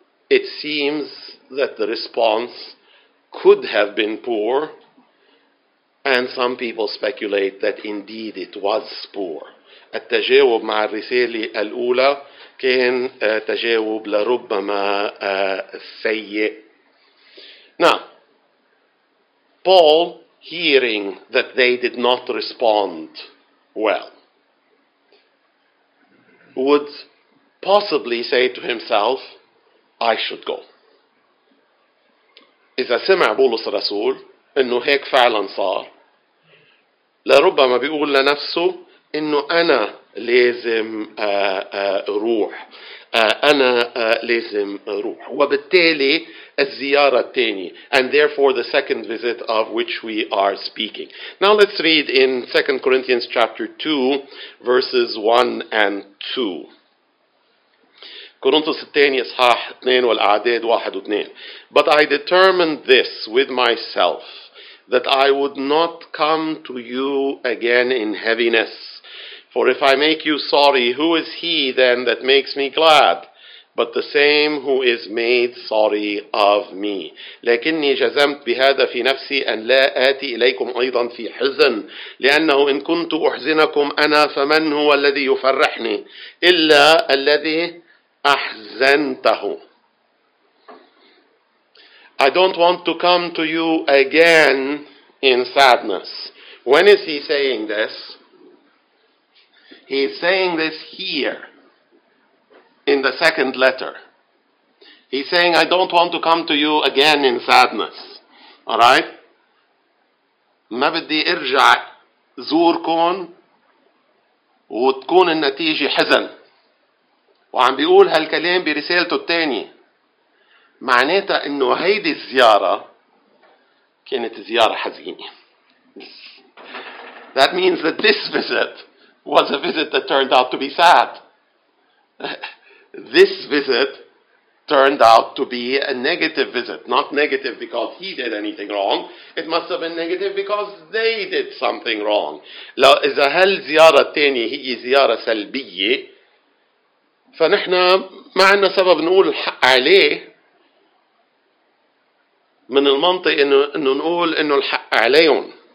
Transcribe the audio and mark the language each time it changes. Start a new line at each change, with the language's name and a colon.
English: It seems that the response could have been poor, and some people speculate that indeed it was poor.
Arabic: التجاوب مع الرسالة الأولى كان تجاوب لربما سيء.
English: Now, Paul, hearing that they did not respond well, would possibly say to himself, I should go.
Arabic: إذا سمع بولس الرسول إنه هيك فعلا صار، لربما بيقول لنفسه إنه أنا لازم روح، أنا لازم روح. وبالتالي الزيارة الثانية,
English: and therefore the second visit of which we are speaking. Now let's read in 2 Corinthians chapter 2, verses 1 and 2.
Arabic: كورنثوس الثاني إصحاح 2 والأعداد 1 و 2.
English: But I determined this with myself, that I would not come to you again in heaviness. For if I make you sorry, who is he then that makes me glad? But the same who is made sorry of me.
Arabic: لكني جزمت بهذا في نفسي أن لا آتي إليكم أيضا في حزن لأنه إن كنت أحزنكم أنا فمن هو الذي يفرحني إلا الذي أحزنته.
English: I don't want to come to you again in sadness. When is he saying this? He's saying this here in the second letter. He's saying, I don't want to come to you again in sadness. All right?
Arabic: ما بدي ارجع زوركم وتكون النتيجة حزن. وعم بيقول هالكلام برسالته الثانية. معناتها انه هيدي الزيارة كانت زيارة حزينة.
English: That means that this visit was a visit that turned out to be sad. This visit turned out to be a negative visit. Not negative because he did anything wrong. It must have been negative because they did something wrong.
Arabic: لو إذا هل زيارة تانية هي زيارة سلبية فنحن ما عنا سبب نقول الحق عليه. من المنطق إنه نقول إنه الحق عليهم.